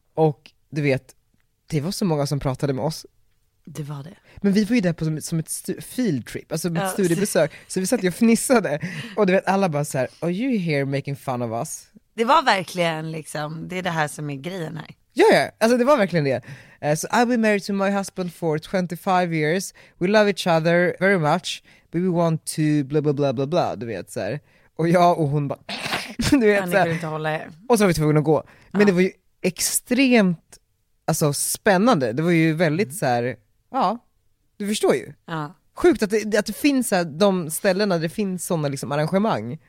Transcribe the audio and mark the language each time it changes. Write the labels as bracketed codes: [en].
[sv] Och du vet, det var så många som pratade med oss. Det var det. Men vi var ju där på som ett field trip, alltså ett studiebesök. Så vi satt ju och fnissade och du vet alla bara så här, [en] "Are you here making fun of us?" [sv] Det var verkligen liksom, det är det här som är grejen här. Ja, ja, alltså det var verkligen det. [en] So I've been married to my husband for 25 years. We love each other very much. But we want to blah, blah, blah, blah, blah, [sv] du vet så här. Och jag och hon bara, du vet så här. Och så var vi tvungna att gå. Men ja, det var ju extremt, alltså spännande. Det var ju väldigt så här, ja, du förstår ju. Ja. Sjukt att det finns här, de ställena där det finns sådana liksom arrangemang.